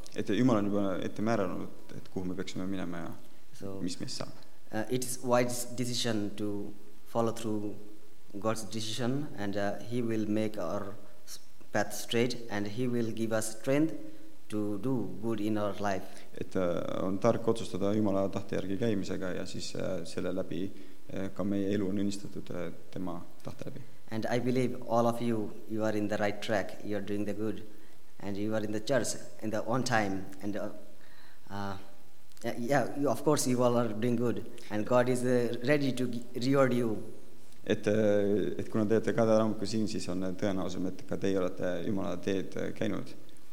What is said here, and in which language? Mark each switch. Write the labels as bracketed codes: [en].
[et] Et Jumal on juba ette määranud, et kuhu me peaksime minema ja so, mis meest saab. [en] It is wise decision to follow through God's decision, and he will make our path straight, and he will give us strength to do good in our life. [et] Et on tark otsustada Jumala tahte järgi käimisega ja siis selle läbi ka meie elu on õnnistatud tema tahte läbi. [en] And I believe all of you are in the right track, you are doing the good, and you are in the church in the on time, and you, of course you all are doing good, and God is ready to reward you. [et] Et kuna teete ka tänavuku siin, siis on tõenäosem, et ka teie olete Jumala teed käinud.